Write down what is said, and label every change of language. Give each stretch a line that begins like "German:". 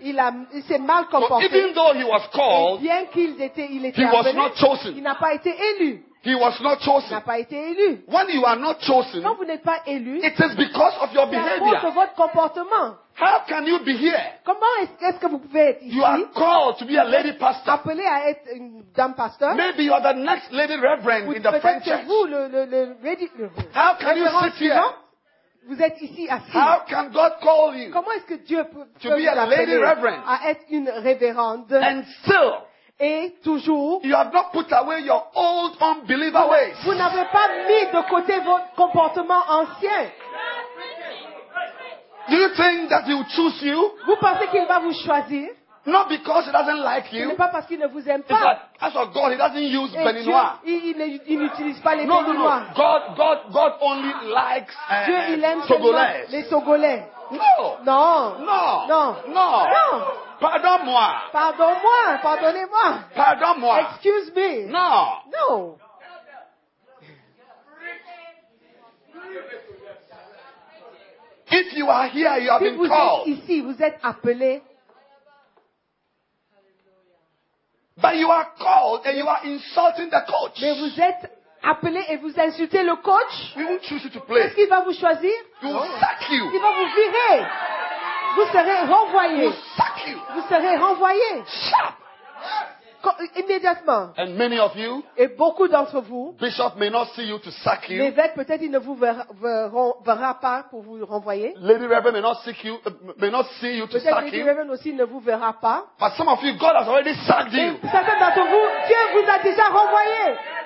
French: Il s'est mal comporté.
English: So even though he was called,
French: et bien qu'il était, il était
English: he was
French: appelé,
English: not chosen.
French: Il n'a pas été élu.
English: He was not chosen.
French: Il n'a pas été élu.
English: When you are not chosen,
French: quand vous n'êtes pas élu,
English: it is because of your behavior.
French: C'est à cause de votre comportement.
English: How can you be here?
French: Comment est-ce que vous pouvez être ici?
English: You are called to be a lady pastor.
French: Appelé à être une dame pasteur.
English: Maybe you are the next lady reverend
French: vous,
English: in the French church.
French: Peut-être vous le lady.
English: How can you sit here?
French: Vous êtes ici assis.
English: How can God call you?
French: Comment est-ce que Dieu peut
English: to be a lady reverend?
French: À être une révérende.
English: And still.
French: Et toujours.
English: You have not put away your old unbeliever ways.
French: Vous n'avez pas mis de côté votre comportement ancien.
English: Do you think that he will choose you?
French: Vous pensez qu'il va vous choisir?
English: Not because he doesn't like you.
French: Ce n'est pas parce qu'il ne vous aime pas.
English: As for God, he doesn't use Béninois.
French: Il n'utilise pas les
English: Béninois. No. God only likes
French: Dieu, il aime Togolais. Les Togolais. No. Non. Non. Non. Non. Non. Pardonne-moi. Pardonne-moi. Pardonnez-moi. Pardonne-moi.
English: Excuse me.
French: Non. Non.
English: If you are here, you have
French: si
English: been called.
French: Êtes ici, vous êtes appelé.
English: But you are called and you are insulting the coach.
French: Mais vous êtes appelé et vous insultez le coach.
English: We won't choose you to play.
French: Est-ce qu'il va vous choisir?
English: He will sack you.
French: Il va vous virer. Vous serez renvoyé.
English: He will sack you.
French: Vous serez renvoyé.
English: Sharp.
French: immédiatement.
English: And many of you,
French: et beaucoup d'entre vous,
English: bishop may not see you to sack you.
French: L'évêque peut-être ne vous verra pas pour vous renvoyer.
English: Lady Reverend may not see you to sack
French: you. Lady Reverend aussi ne vous verra pas.
English: But some of you, God has already sacked you.
French: Certains d'entre vous, Dieu vous a déjà renvoyé.